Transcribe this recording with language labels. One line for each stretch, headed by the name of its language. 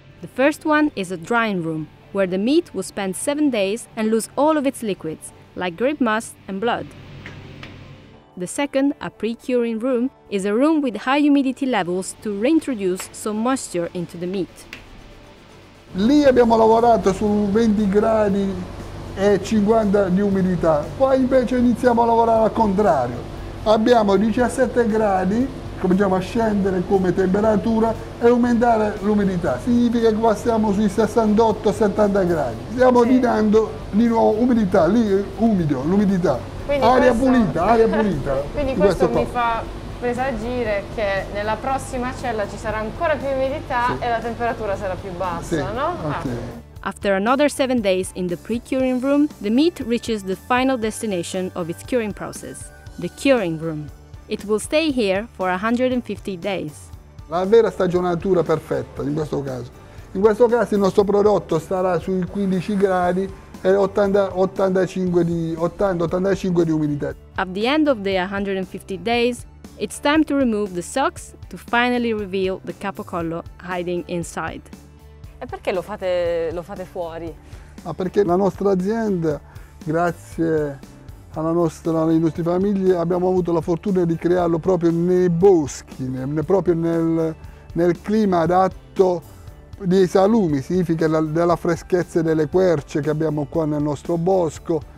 English: The first one is a drying room, where the meat will spend 7 days and lose all of its liquids, like grape must and blood. The second, a pre-curing room, is a room with high humidity levels to reintroduce some moisture into the meat.
Italian: Lì abbiamo lavorato su 20 gradi e 50 di umidità. Poi invece iniziamo a lavorare al contrario. Abbiamo 17 gradi, cominciamo a scendere come temperatura e aumentare l'umidità. Significa che passiamo sui 68-70 gradi. Stiamo ridando di nuovo umidità, lì umido, l'umidità. Quindi aria questo... pulita, aria pulita. Quindi questo mi fa presagire che nella prossima cella ci sarà ancora più umidità, sì, e la temperatura sarà più bassa, sì, no? Okay. Ah.
English: After another 7 days in the pre-curing room, the meat reaches the final destination of its curing process, the curing room. It will stay here for 150 days.
Italian: La vera stagionatura perfetta in questo caso. In questo caso il nostro prodotto starà sui 15 gradi e 80-85 di umidità.
English: At the end of the 150 days, it's time to remove the socks to finally reveal the capocollo hiding inside.
Italian: E perché lo fate fuori? Ma perché la nostra azienda, grazie alla nostra, alle nostre famiglie, abbiamo avuto la fortuna di crearlo proprio nei boschi, proprio nel clima adatto dei salumi, significa della freschezza delle querce che abbiamo qua nel nostro bosco.